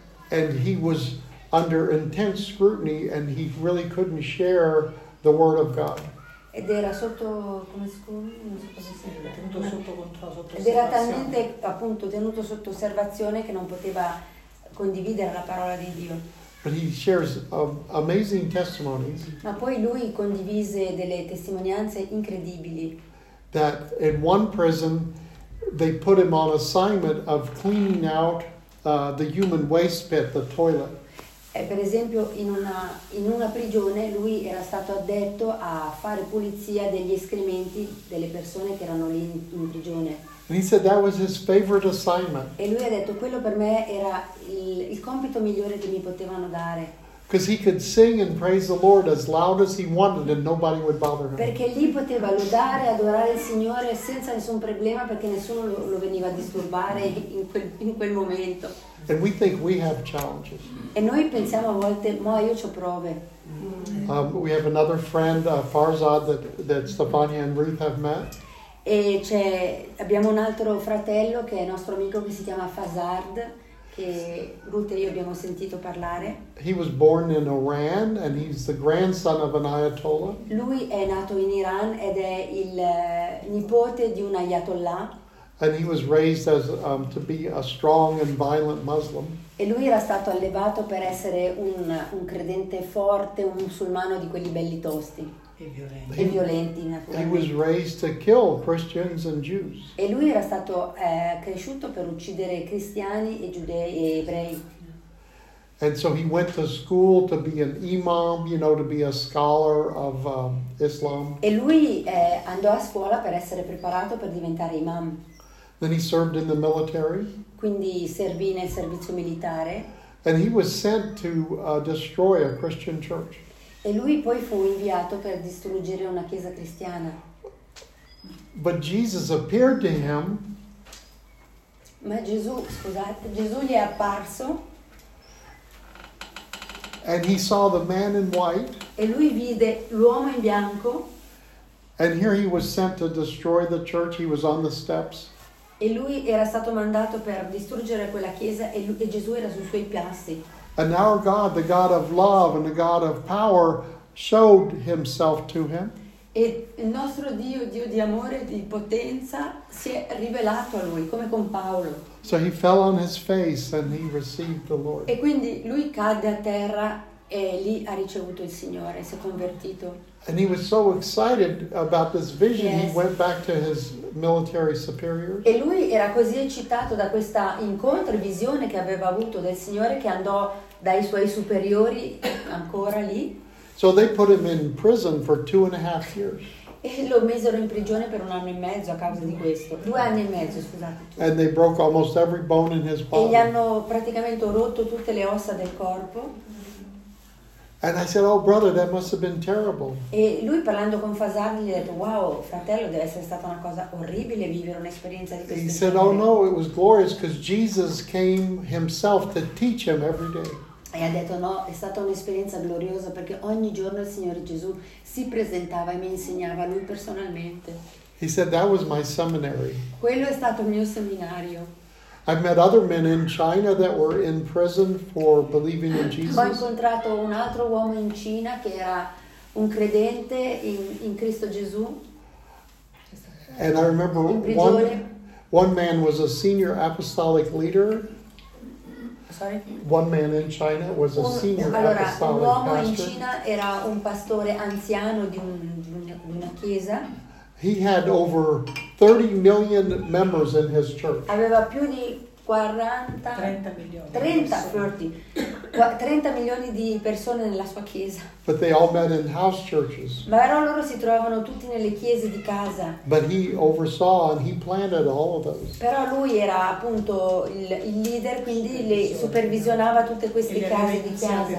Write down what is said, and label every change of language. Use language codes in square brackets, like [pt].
[en] And he was under intense scrutiny and he really couldn't share the word of God. [it] Ed era sotto come scusi, non so cosa si dice, tenuto sotto controllo, sotto osservazione. Ed era talmente appunto tenuto sotto osservazione che non poteva condividere la parola di Dio. [en] But he shares amazing testimonies. [it] Ma poi lui condivise delle testimonianze incredibili. [en] That in one prison they put him on assignment of cleaning out the human waste pit, the toilet. [it] E per esempio in una prigione lui era stato addetto a fare pulizia degli escrementi delle persone che erano lì in prigione. [en] And he said that was his favorite assignment. [it] E lui ha detto quello per me era il compito migliore che mi potevano dare. [en] Because he could sing and praise the Lord as loud as he wanted and nobody would bother him. [it] Perché lì poteva lodare e adorare il Signore senza nessun problema perché nessuno lo veniva a disturbare in quel momento. [en] And we think we have challenges. [it] E noi pensiamo a volte, ma io c'ho prove. [en] We have another friend, Farzad, that Stefania and Ruth have met. [it] E c'è abbiamo un altro fratello che è nostro amico che si chiama Fazard che Ruth e io abbiamo sentito parlare. [en] He was born in Iran and he's the grandson of an ayatollah. [it] Lui è nato in Iran ed è il nipote di un ayatollah. [en] And he was raised as to be a strong and violent Muslim. [it] E lui era stato allevato per essere un credente forte, un musulmano di quelli belli tosti. E violenti, [en] he was raised to kill Christians and Jews. [it] E lui era stato cresciuto per uccidere cristiani e giudei e ebrei. [en] And so he went to school to be an imam, you know, to be a scholar of Islam. [it] E lui andò a scuola per essere preparato per diventare imam. [en] Then he served in the military. [it] Quindi servì nel servizio militare. [en] And he was sent to destroy a Christian church. [it] E lui poi fu inviato per distruggere una chiesa cristiana. [en] But Jesus appeared to him. [it] Ma Gesù, scusate, Gesù gli è apparso. [en] And he saw the man in white. [it] E lui vide l'uomo in bianco. [en] And here he was sent to destroy the church. He was on the steps. [it] E lui era stato mandato per distruggere quella chiesa e Gesù era sui suoi piassi. [en] And our God, the God of love and the God of power, showed himself to him. [it] E il nostro Dio, Dio di amore e di potenza, si è rivelato a lui, come con Paolo. [en] So he fell on his face and he received the Lord. [it] E quindi lui cadde a terra e lì ha ricevuto il Signore, si è convertito. [en] And he was so excited about this vision, yes. He went back to his military superiors. [it] E lui era così eccitato da questa incontro e visione che aveva avuto del Signore che andò dai suoi superiori ancora lì. [en] So they put him in prison for 2.5 years. [it] E lo misero in prigione per un anno e mezzo a causa di questo. 2 anni e mezzo, scusate. [en] And they broke almost every bone in his body. [it] E gli hanno praticamente rotto tutte le ossa del corpo. [en] And I said, "Oh, brother, that must have been terrible." [it] E lui parlando con Fasan gli ha detto, "Wow, fratello, deve essere stata una cosa orribile vivere un'esperienza di questo." [en] He said, "Oh no, it was glorious because Jesus came Himself to teach him every day." [it] E ha detto, "No, è stata un'esperienza gloriosa perché ogni giorno il Signore Gesù si presentava e mi insegnava lui personalmente." [en] He said, "That was my seminary." [it] Quello è stato il mio seminario. [en] I've met other men in China that were in prison for believing in Jesus. [it] Ho incontrato un altro uomo in Cina che era un credente in Cristo Gesù. [en] And I remember one man was a senior apostolic leader. Sorry? One man in China was a senior apostolic pastor. [it] Allora, un uomo [en] pastor. [it] In Cina era un pastore anziano di una chiesa. [en] He had over 30 million members in his church. [it] Aveva più di 30 milioni di persone nella sua chiesa. [en] But they all met in house churches. [it] Ma però loro si trovavano tutti nelle chiese di casa. [en] But he oversaw and he planted all of those. [it] Però lui era appunto il leader, quindi le supervisionava tutte queste case di casa.